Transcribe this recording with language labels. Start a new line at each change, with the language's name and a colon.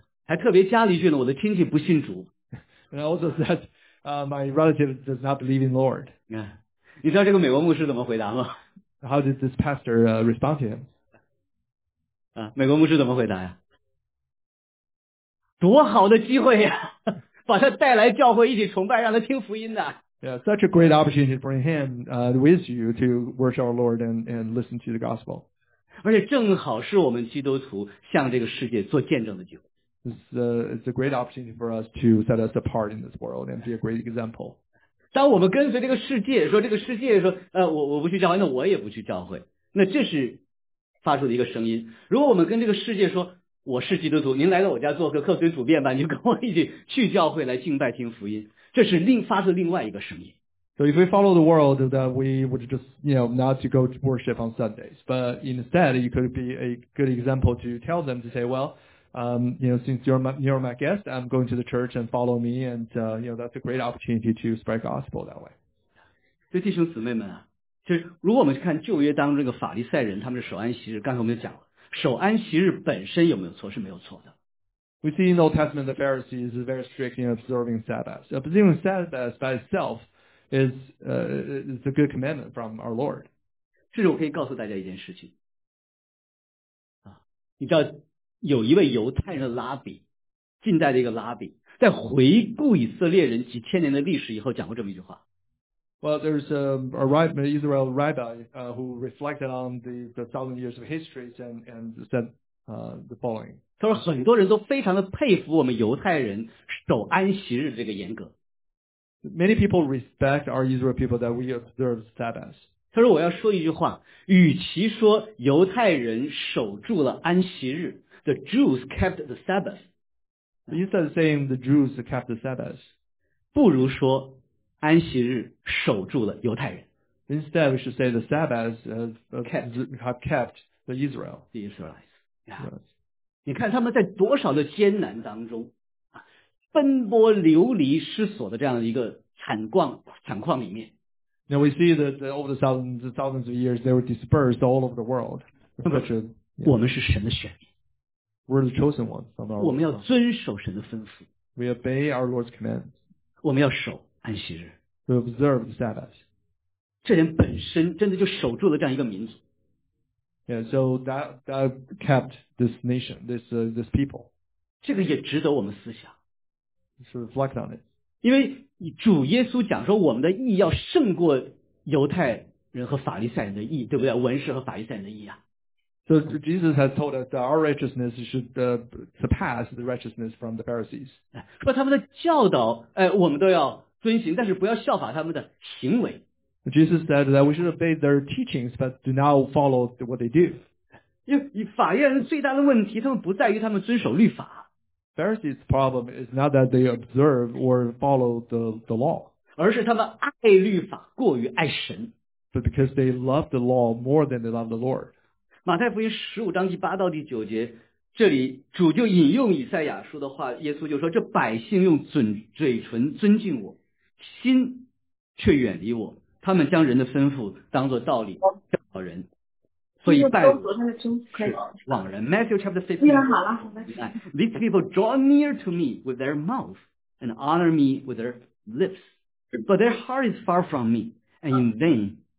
Chinese: 还特别加了一句呢，我的亲戚不信主。
English: And I also said, my relative does not believe in Lord.
Chinese: 你知道这个美国牧师怎么回答吗？
English: How did this pastor respond to him?
Chinese: 啊，美国牧师怎么回答呀？多好的机会呀，把他带来教会一起崇拜，让他听福音的。
English: Yeah, such a great opportunity to bring him with you to worship our Lord and listen to the gospel.
Chinese: 而且正好是我们基督徒向这个世界做见证的机会。
English: It's a great opportunity for us to set us apart in this world and be a great example.
Chinese: 当我们跟随这个世界，说这个世界说，我不去教会，那我也不去教会，那这是发出的一个声音。如果我们跟这个世界说，我是基督徒，您来到我家做客，客随主便吧，你就跟我一起去教会来敬拜听福音，这是发出另外一个声音。
English: So if we follow the world, that we would just, you know, not to go to worship on Sundays, but instead you could be a good example to tell them to say, well, you know, since you're my guest, I'm going to the church and follow me, and, you know, that's a great opportunity to spread gospel that way.
Chinese: 所以弟兄姊妹们啊，就是如果我们看旧约当中这个法利赛人，他们是守安息日，刚才我们就讲了，守安息日本身有没有错？是没有错的。
English: We see in the Old Testament the Pharisees is very strict in observing Sabbath. Observing Sabbath by itself is a good commandment from our Lord.
Chinese: 这是我可以告诉大家一件事情。啊，你知道有一位犹太人的拉比，近代的一个拉比，在回顾以色列人几千年的历史以后，讲过这么一句话。
English: Well, there's a rabbi, Israel rabbi, who reflected on the thousand years of history and said, the following.
Chinese: 他说很多人都非常的佩服我们犹太人守安息日这个严格。
English: Many people respect our Israel people that we observe Sabbath.
Chinese: 他说我要说一句话，与其说犹太人守住了安息日 ，
English: the Jews kept the Sabbath. Instead of saying the Jews kept the Sabbath,
Chinese: 不如说安息日守住了犹太人。
English: Instead, we should say the Sabbath have kept the Israel. The Israelites. Yeah.
Chinese: 你看他们在多少的艰难当中啊，奔波流离失所的这样的一个惨况里面。
English: Now we see that over the thousands of years, they were dispersed all over the world. Yeah.
Chinese: 我们是神的选民。
English: We're the chosen ones. On our
Chinese: 我们要遵守神的吩咐。
English: We obey our Lord's commands.
Chinese: 我们要守安息日。
English: We observe the Sabbath.
Chinese: 这人本身真的就守住了这样一个民族。
English: And so that kept this nation, this people.
Chinese: 这个也值得我们思想。
English: So reflect on it.
Chinese: 因为主耶稣讲说我们的义要胜过犹太人和法利赛人的义, 对不对? 文士和法利赛人的义啊。
English: So Jesus has told us that our righteousness should surpass the righteousness from the Pharisees.
Chinese: 说他们的教导, 我们都要遵行, 但是不要效法他们的行为。
English: Jesus said that we should obey their teachings, but do not follow what they do.
Chinese: 法院最大的问题, 他们不在于他们遵守律法。
English: Pharisees' problem is not that they observe or follow the law.
Chinese: 而是他们爱律法过于爱神。
English: But because they love the law more than they love the Lord.
Chinese: 马太福音15章第8到第9节, 这里主就引用以赛亚书的话, 耶稣就说, 这百姓用嘴唇尊敬我, 心却远离我。他们将人的吩咐当作道理, 教导人, 所以拜访人,
English: Matthew chapter 15, these people draw near to me with their mouth and honor me with their lips, but their heart is far from me, and in vain.